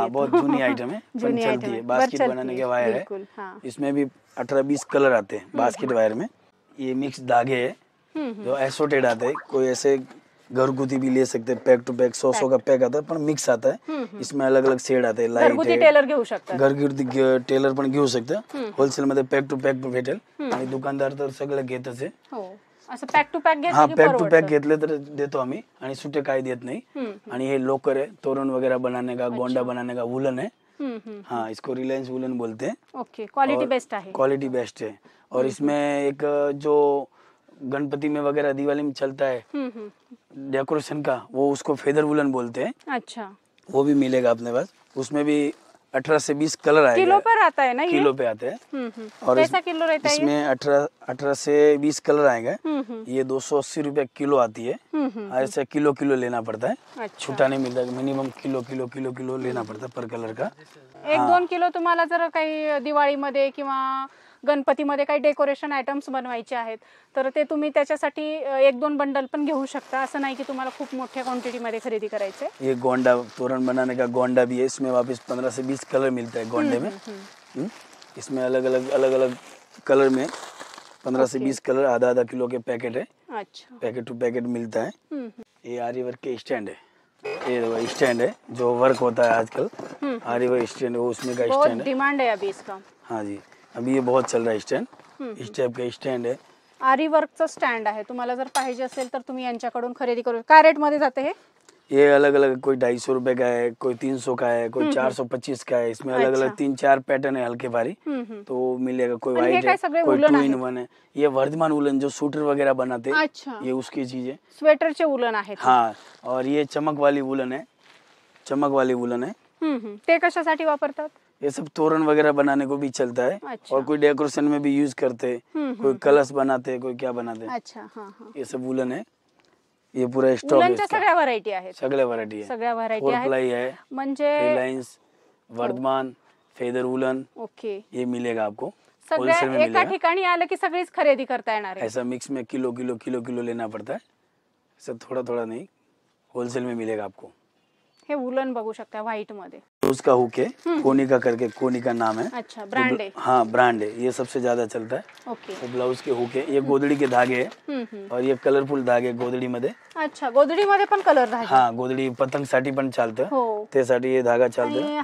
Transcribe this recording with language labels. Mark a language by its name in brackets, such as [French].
[Hindi] हाँ, बहुत जूनी आइटम है, जूनी चलती है। बास्केट बनाने के वायर है। हाँ। इसमें भी 18-20 कलर आते हैं बास्केट वायर में। ये मिक्स धागे है जो एसोटेड आते हैं, कोई ऐसे घरगुती भी ले सकते हैं। पैक टू पैक 100-100 का पैक आता है, पर मिक्स आता है। इसमें अलग अलग शेड आते हैं, लाइट है, [Marathi] घरगुती टेलर पण घेऊ शकते, होलसेल मध्ये पैक टू पैक भेटेल, आणि दुकानदार तर सगळं घेतच है। पैक टू पैक घेतले तर देतो आम्ही, आणि सुटे काय देत नाही। आणि हे लोकर आहे, तोरण वगैरे [Hindi] बनाने का, गोंडा बनाने का [Marathi] वुलन आहे। [Hindi] हाँ, इसको रिलायन्स वुलन बोलते हैं। [Marathi] ओके, क्वालिटी बेस्ट आहे, [Hindi] क्वालिटी बेस्ट है। और इसमें एक जो गणपति में वगैरह दिवाली में चलता है डेकोरेशन का, वो उसको फेदर वुलन बोलते हैं। अच्छा। वो भी मिलेगा अपने पास। उसमें भी 18-20 कलर आएगा। किलो पर आता है ना ये? किलो पे आते हैं। और कैसा किलो रहता है? इसमें 18-20 कलर आएगा। ये 280 रुपए किलो आती है। ऐसा किलो किलो लेना पड़ता है, छूटा नहीं मिलता। Minimum kilo kilo kilo kilo लेना पड़ता है पर कलर का। [Marathi] 1-2 किलो तुम्हाला जर काही दिवाळी मध्ये किंवा गणपतीमध्ये काही डेकोरेशन आयटम्स बनवायचे आहेत, तर ते तुम्ही त्याच्यासाठी 1-2 बंडल पण घेऊ शकता। असं नाही की तुम्हाला खूप मोठ्या क्वांटिटी मध्ये खरेदी करायचे। [Hindi] ये गोंडा तोरण बनाने का गोंडा भी है। इसमें वापस 15-20 कलर मिलता है गोंडे में। इसमें अलग अलग अलग अलग कलर में 15-20 कलर, आधा आधा किलो के पैकेट है। अच्छा। पैकेट टू पैकेट मिलता है। ये आरी वर्क के स्टैंड है, ये स्टैंड है जो वर्क होता है आजकल, आरी वर्क स्टैंड, उसमें का स्टैंड है। डिमांड है अभी इसका। हाँ जी, अभी ये बहुत चल रहा है स्टैंड, इस टाइप का स्टैंड है, आरी वर्क चा स्टैंड है। [Marathi] तुम्हाला जर पाहिजे असेल तर तुम्ही यांच्याकडून खरेदी करू। काय रेट मध्ये जाते हे? [Hindi] ये अलग अलग, कोई 250 रुपए का है, कोई 300 का है, कोई 425 का है। इसमें अलग अलग 3-4 पैटर्न है हल्के भारी, तो मिलेगा। कोई वाइट है, कोई 2-in-1 है। ये वर्धमान उलन जो स्वेटर वगैरह बनाते हैं। अच्छा। ये उसकी चीज है, [Marathi] स्वेटर चे उलन आहे। [Hindi] हाँ, और ये चमक वाली उलन है, चमक वाली उलन है। [Marathi] ते कशासाठी वापरतात? [Hindi] ये सब तोरण वगैरह बनाने को भी चलता है। अच्छा। और कोई डेकोरेशन में भी यूज करते हैं, कोई कलश बनाते हैं, कोई क्या बनाते हैं। अच्छा, हाँ। ये सब वुलन है, ये पूरा स्टॉक है। [Marathi] सगळ्या वैरायटी आहेत, सगळ्या वैरायटी आहे, सगळ्या वैरायटी आहे। [Hindi] फ्लाई है, [Marathi] म्हणजे Reliance, Vardhman, feather woollen. Okay. [Hindi] ये मिलेगा आपको। [Marathi] सगळ्या एका ठिकाणी आलं की सगळीच खरेदी करता येणार आहे. [Hindi] ऐसा मिक्स में किलो किलो किलो किलो लेना पड़ता है, सब थोड़ा थोड़ा नहीं, होलसेल में मिलेगा आपको. [Marathi] हे वुलन बघू शकता व्हाइट मध्ये. [Hindi] उसका हुक है कोनिका करके, कोनिका नाम है. अच्छा, ब्रांड है. हाँ ब्रांड है, ये सबसे ज्यादा चलता है. ओके. ब्लाउज के हुक है, ये गोदड़ी के धागे है और ये कलरफुल धागे गोदड़ी मध्ये. [Marathi] अच्छा, गोदड़ी मध्ये पण कलर धागे. हाँ, गोदड़ी पतंग साठी पण चालते, ते साठी [Hindi] ये धागा चालते.